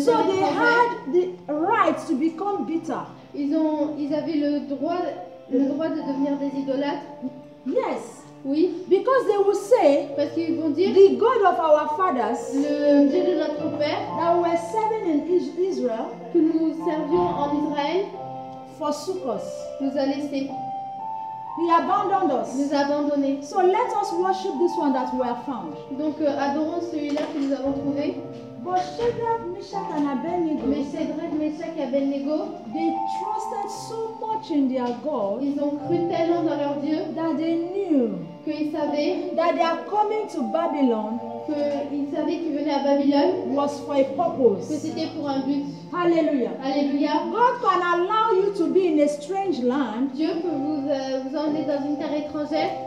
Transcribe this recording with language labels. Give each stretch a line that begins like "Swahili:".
English: So they had the right to become bitter.
French: Ils avaient le droit de devenir des idolâtres.
English: Yes.
French: Oui.
English: Because they will say,
French: Parce qu'ils vont dire,
English: the God of our fathers,
French: le Dieu de notre père,
English: that we were serving in Israel,
French: que nous servions en Israël,
English: forsook us.
French: Nous a laissé.
English: He abandoned us.
French: Nous a abandonné.
English: So let us worship this one that we have found.
French: Donc adorons celui-là que nous avons trouvé.
English: But Shadrach, Meshach, and Abednego.
French: Mais Shadrach, Meshach et Abednego.
English: They trusted so much in their God.
French: Ils ont cru tellement dans leur Dieu.
English: That they knew.
French: Que ils savaient.
English: That they are coming to Babylon.
French: Que ils savaient qu'ils venaient à Babylone.
English: Was for a purpose.
French: Que c'était pour un but.
English: Hallelujah.
French: Hallelujah.
English: God can allow you to be in a strange land.
French: Dieu peut vous emmener dans une terre étrangère.